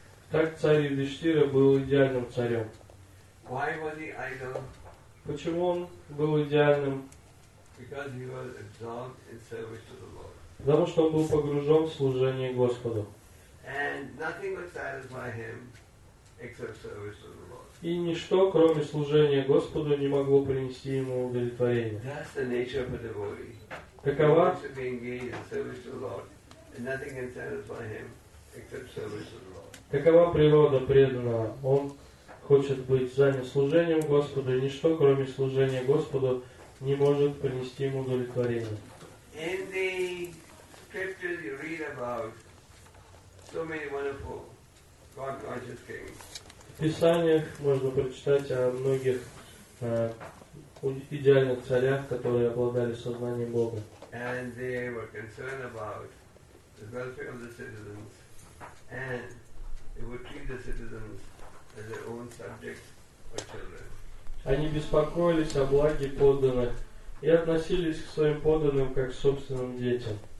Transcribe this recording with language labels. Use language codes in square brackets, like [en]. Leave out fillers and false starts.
[ru] Так царь Юдиштира был идеальным царем. [en] Why was he idol? [ru] Почему он был идеальным? [en] Because he was absorbed in service to the Lord. [ru] Потому что он был погружен в служение Господу. [en] And nothing would satisfy him except service to the Lord. [ru] И ничто, кроме служения Господу, не могло принести ему удовлетворение. [en] That's the nature of a devotee. [ru] Такова. [en] He wants to be engaged in service to the Lord, and nothing can satisfy him except service to the Lord. [ru] Такова природа преданного. Он хочет быть занят служением Господу, и ничто, кроме служения Господу, не может принести ему удовлетворение. [en] In the scriptures you read about so many wonderful God-conscious kings. [ru] В Писаниях можно прочитать о многих идеальных царях, которые обладали сознанием Бога. [en] And they were concerned about the welfare of the citizens, and they would treat the citizens as their own subjects or children. [ru] Они беспокоились о благе подданных и относились к своим подданным как к собственным детям.